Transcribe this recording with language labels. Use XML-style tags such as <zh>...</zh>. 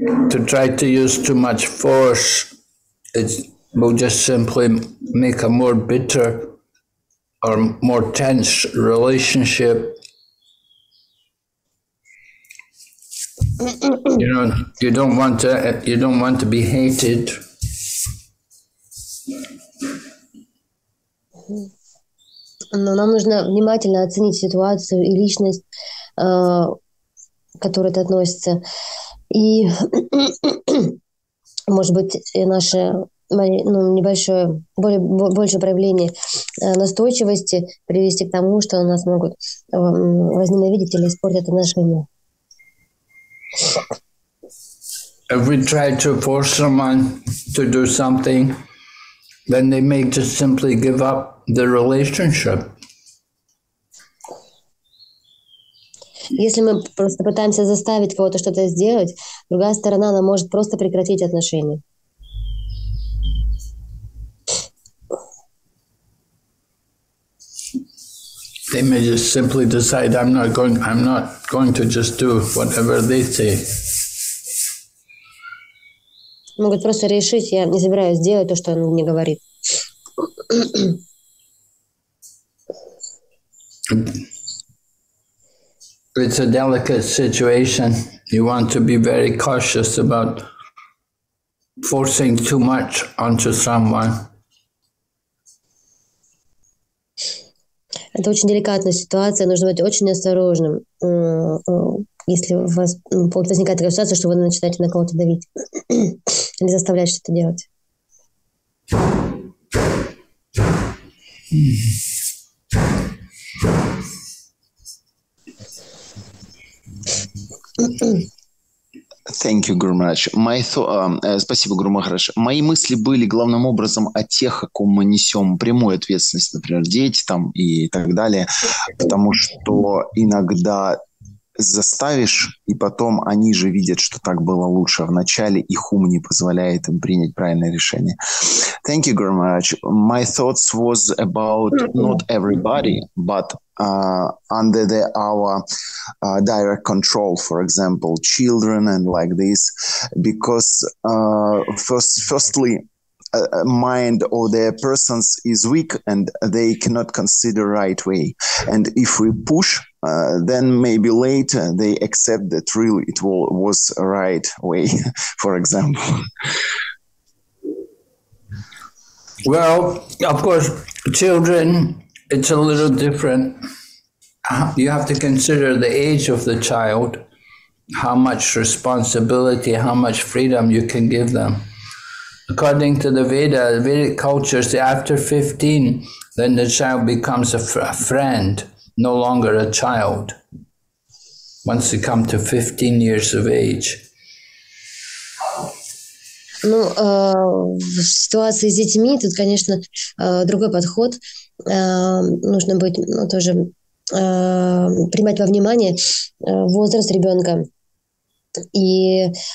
<en>To try to use too much force, it will just simply make a more bitter or more tense relationship. You know, you don't want to be hated.</en> <ru>Но нам нужно внимательно оценить ситуацию и личность, к которой это относится. И может быть, наше небольшое, больше проявление настойчивости привести к тому, что нас могут возненавидеть или испортить отношения.</ru> <en>If we try to force someone to do something, then they may just simply give up the relationship.</en> <ru>Если мы просто пытаемся заставить кого-то что-то сделать, другая сторона, она может просто прекратить отношения.</ru> <en>They may just simply decide, I'm not going to just do whatever they say.</en> <ru>Могут просто решить, я не собираюсь делать то, что он мне говорит.</ru> <en>It's a delicate situation. You want to be very cautious about forcing too much onto someone.</en> <ru>Это очень деликатная ситуация, нужно быть очень осторожным, если у вас возникает такая ситуация, что вы начинаете на кого-то давить или заставлять что-то делать.</ru> <en>Thank you, Guru Maharaj.</en> <ru>Спасибо, Гуру Махарадж. Мои мысли были главным образом о тех, о ком мы несем прямую ответственность, например, дети там и так далее, потому что иногда заставишь, и потом они же видят, что так было лучше вначале, их ум не позволяет им принять правильное решение.</ru> <en>Thank you, Guru Maharaj. My thoughts was about not everybody, but under the our direct control, for example, children and like this, because firstly, mind or their persons is weak and they cannot consider right way. And if we push, then maybe later they accept that really it was a right way, for example. Well, of course, children, it's a little different. You have to consider the age of the child, how much responsibility, how much freedom you can give them. According to the Veda, the Vedic cultures, after 15, then the child becomes a friend, no longer a child, once they come to 15 years of age.</en> <ru>Ну, в ситуации с детьми тут, конечно, другой подход. Нужно быть, ну, тоже принимать во внимание возраст ребенка. И</ru>